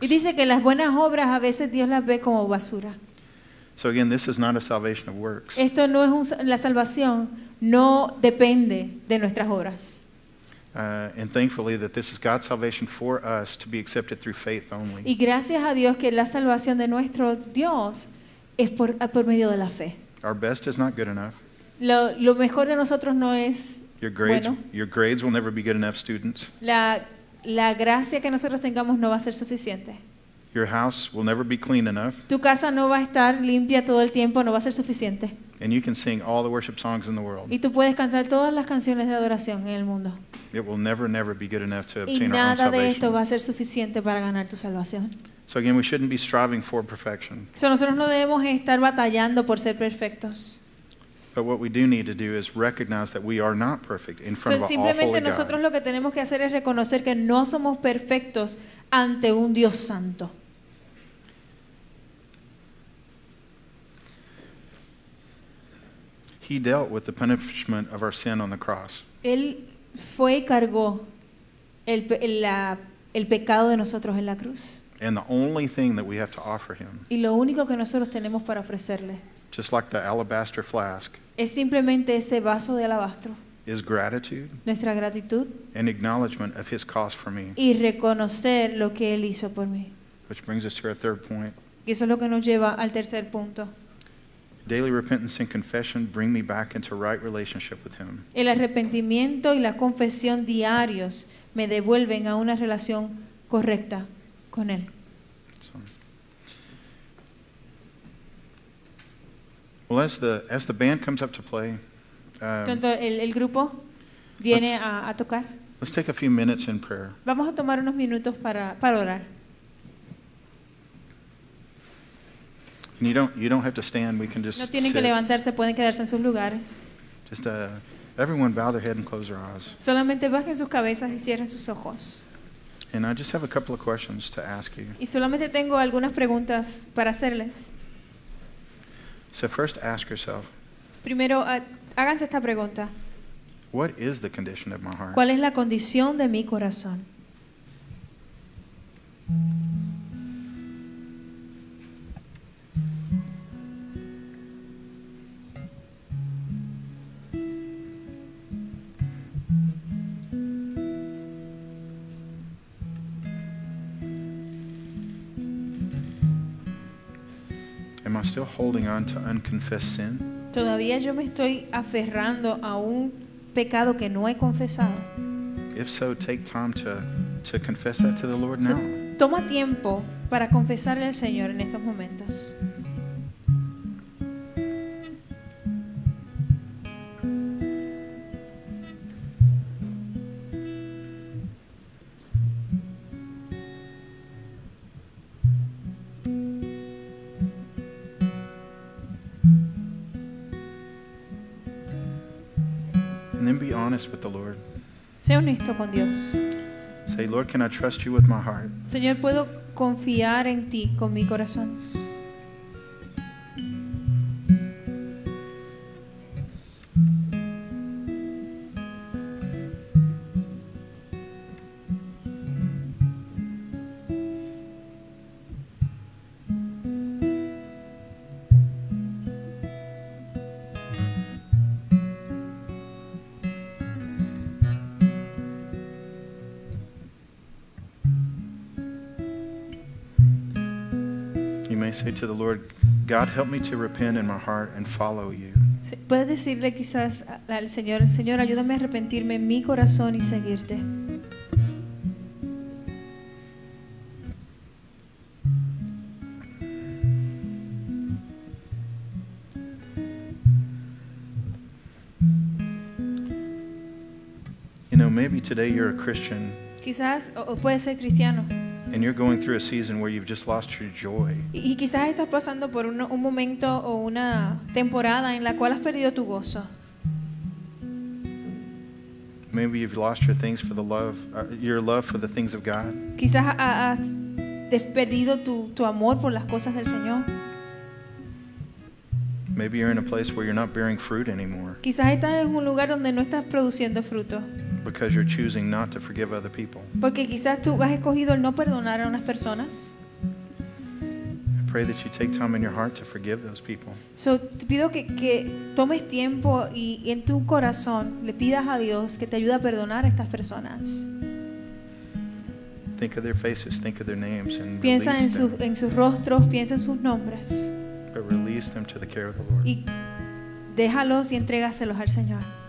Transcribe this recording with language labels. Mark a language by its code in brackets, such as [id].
[es] Y dice que las buenas obras a veces Dios las ve como basura. [en] So again, this is not a salvation of works. [es] Esto no es la salvación. No depende de nuestras obras. [en] And thankfully that this is God's salvation for us to be accepted through faith only. [es] Y gracias a Dios que la salvación de nuestro Dios es por medio de la fe. [en] Our best is not good enough. [es] Lo mejor de nosotros no es bueno. [en] Your grades will never be good enough, students. [es] La gracia que nosotros tengamos no va a ser suficiente. [en] Your house will never be clean enough. [es] Tu casa no va a estar limpia todo el tiempo, no va a ser suficiente. [en] And you can sing all the worship songs in the world. [es] Y tú puedes cantar todas las canciones de adoración en el mundo. [en] It will never, never be good enough to obtain our own salvation. [es] Y nada de esto va a ser suficiente para ganar tu salvación. [en] So again, we shouldn't be striving for perfection. [es] So nosotros no debemos estar batallando por ser perfectos. [en] But what we do need to do is recognize that we are not perfect in front of a holy God. [es] Simplemente nosotros lo que tenemos que hacer es reconocer que no somos perfectos ante un Dios santo. [en] He dealt with the punishment of our sin on the cross. [es] Él fue y cargó el pecado de nosotros en la cruz. [en] And the only thing that we have to offer him. [es] Y lo único que nosotros tenemos para ofrecerle. [en] Just like the alabaster flask. [es] Es simplemente ese vaso de alabastro. [en] Is gratitude. [es] Nuestra gratitud. [en] And acknowledgement of his cost for me. [es] Y reconocer lo que él hizo por mí. [en] Which brings us to our third point. [es] Y eso es lo que nos lleva al tercer punto. [en] Daily repentance and confession bring me back into right relationship with him. [es] El arrepentimiento y la confesión diarios me devuelven a una relación correcta con él. [en] Well, as the band comes up to play, [es] el grupo viene a tocar. [en] Let's take a few minutes in prayer. [es] Vamos a tomar unos minutos para orar. [en] And you don't have to stand. We can just [es] no tienen [en] sit. [es] Que levantarse. Pueden quedarse en sus lugares. [en] Just everyone bow their head and close their eyes. [es] Solamente bajen sus cabezas y cierren sus ojos. [en] And I just have a couple of questions to ask you. [es] Y solamente tengo algunas preguntas para hacerles. [en] So first ask yourself. [es] Primero, háganse esta pregunta. [en] What is the condition of my heart? [es] ¿Cuál es la condición de mi corazón? [en] Still holding on to unconfessed sin? [es] Todavía yo me estoy aferrando a un pecado que no he confesado. [en] If so, take time to confess that to the Lord now. [es] Toma tiempo para confesarle al Señor en estos momentos. [en] With the Lord. [es] Sé honesto con Dios. [en] Say, Lord, can I trust you with my heart? [es] Señor, puedo confiar en ti con mi corazón. [en] Say to the Lord, God, help me to repent in my heart and follow you. [es] Puedes decirle quizás al Señor, Señor, ayúdame a arrepentirme en mi corazón y seguirte. [en] You know, maybe today you're a Christian. [es] Quizás o puedes ser cristiano. [en] And you're going through a season where you've just lost your joy. [es] Y quizás estás pasando por un momento o una temporada en la cual has perdido tu gozo. [en] Maybe you've lost your things for the love, your love for the things of God. [es] Quizás has perdido tu amor por las cosas del Señor. [en] Maybe you're in a place where you're not bearing fruit anymore. [es] Quizás estás en un lugar donde no estás produciendo fruto. [en] Because you're choosing not to forgive other people. [es] Porque quizás tú has escogido el no perdonar a unas personas. [en] I pray that you take time in your heart to forgive those people. [es] So te pido que tomes tiempo y en tu corazón le pidas a Dios que te ayude a perdonar a estas personas. [en] Think of their faces, think of their names, and [es] piensa [en] release them. [es] Piensa en sus rostros, piensa en sus nombres. [en] But release them to the care of the Lord. [es] Y déjalos y entrégaselos al Señor.